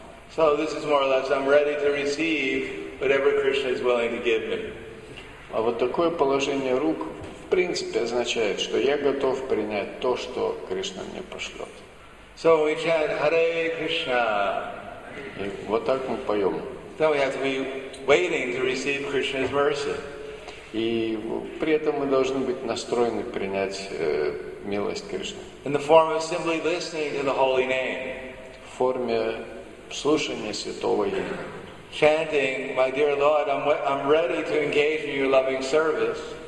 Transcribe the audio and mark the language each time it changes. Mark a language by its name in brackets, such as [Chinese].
[English] So this is more or less, I'm ready to receive whatever Krishna is willing to give me. [Russian] А вот такое положение рук, в принципе, означает, что я готов принять то, что Кришна мне пошлет. [English] So we chant Hare Krishna. [Russian] И вот так мы поем. [English] Then we have to be waiting to receive Krishna's mercy. [Russian] И при этом мы должны быть настроены принять милость Кришны. [English] In the form of simply listening to the holy name. [Russian] В форме слушания святого имени. [English] Chanting, my dear Lord, I'm ready to engage in your loving service.